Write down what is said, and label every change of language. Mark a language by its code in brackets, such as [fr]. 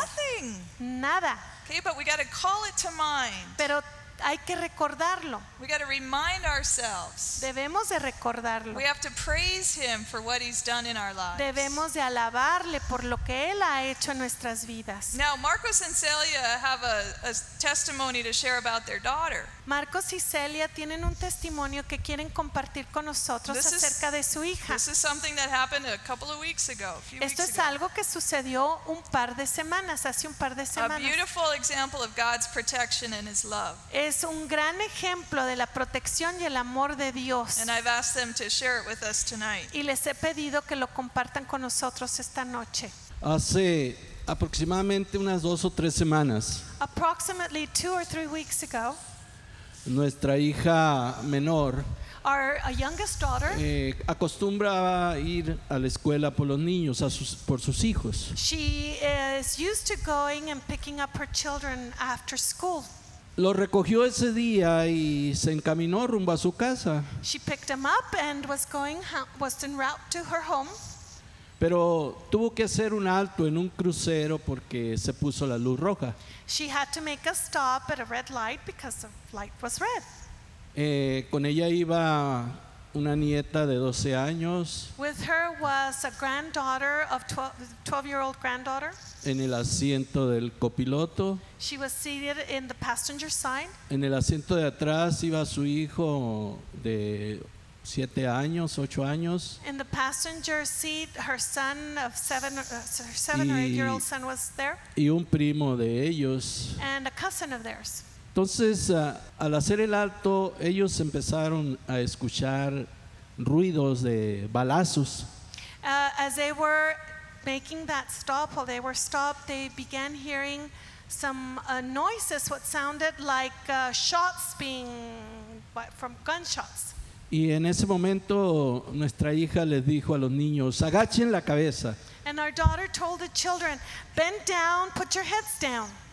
[en] Nothing. [es] Nada. [en] Okay, but we got to call it to mind. [es] Pero hay que recordarlo. [en] We got to remind ourselves. [es] Debemos de recordarlo. [en] We have to praise him for what he's done in our lives. [es] Debemos de alabarle por lo que él ha hecho en nuestras vidas. [en] Now, Marcos and Celia have a testimony to share about their daughter. [es] Marcos y Celia tienen un testimonio que quieren compartir con nosotros acerca de su hija. [en] This is something that happened a couple of weeks ago. A few [es] Esto [en] weeks ago. [es] Algo que sucedió un par de semanas, hace un par de semanas. [en] A beautiful example of God's protection and his love. [es] Es un gran ejemplo de la protección y el amor de Dios. [en] And I've asked them to share it with us tonight. [es] Y les he pedido que lo compartan con nosotros esta noche. Hace aproximadamente unas dos o tres semanas, [en] approximately two or three weeks ago, [es] nuestra hija menor, [en] our youngest daughter, [es] acostumbra ir a la escuela por los niños, por sus hijos. [en] She is used to going and picking up her children after school. [es] Lo recogió ese día y se encaminó rumbo a su casa. [en] She picked him up and was en route to her home. [es] Pero tuvo que hacer un alto en un crucero porque se puso la luz roja. [en] She had to make a stop at a red light because the light was red. [es] Con ella iba una nieta de 12 años. [en] With her was a granddaughter of 12-year-old granddaughter. [es] En el asiento del copiloto. [en] She was seated in the passenger side. [es] En el asiento de atrás iba su hijo de 7 años, 8 años. [en] In the passenger seat, her son of 7 or 8-year-old son was there. [es] Y un primo de ellos. [en] And a cousin of theirs. [es] Entonces, al hacer el alto, ellos empezaron a escuchar ruidos de balazos. [en] As they were making that stop, while they were stopped, they began hearing some noises, what sounded like shots from gunshots. [es] Y en ese momento, nuestra hija les dijo a los niños, agachen la cabeza. [en] And our daughter told the children, bend down, put your heads down.